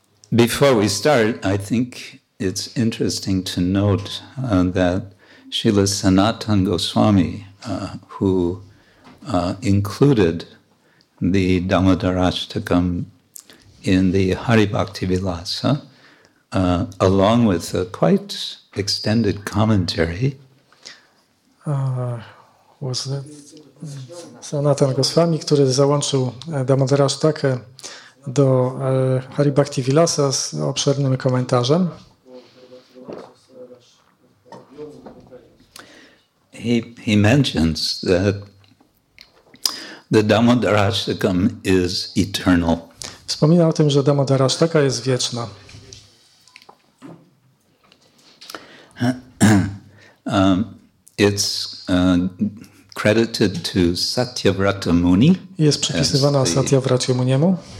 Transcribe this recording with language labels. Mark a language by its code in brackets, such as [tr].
[en] Before we start, I think it's interesting to note that Śrīla Sanātana Goswami, who included the Damodara Ashtakam in the Hari Bhakti Vilasa, along with a quite extended commentary. was [pl] Sanatan Goswami, który załączył Damodara Ashtakę do Haribhakti Vilasa z obszernym komentarzem. [en] He mentions that the Damodara Ashtakam is eternal. [pl] Wspomina o tym, że Damodara Ashtaka jest wieczna. [en] It's credited to Satyavrata Muni. [pl] Jest przypisywana Satyavrata Muniemu.